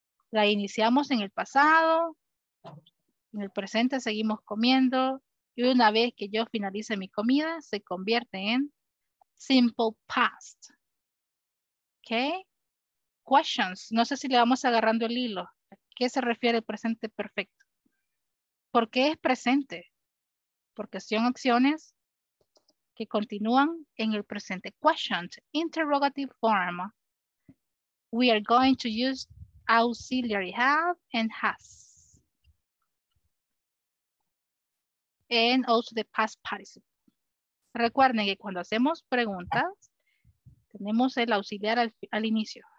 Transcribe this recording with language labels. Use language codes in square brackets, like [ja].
[es] La iniciamos en el pasado, en el presente seguimos comiendo y una vez que yo finalice mi comida se convierte en simple past. [en] Okay. Questions. [es] No sé si le vamos agarrando el hilo. ¿A qué se refiere el presente perfecto? ¿Por qué es presente? Porque son acciones que continúan en el presente. [en] Questions. Interrogative form. We are going to use auxiliary have and has. And also the past participle. [es] Recuerden que cuando hacemos preguntas, tenemos el auxiliar al inicio.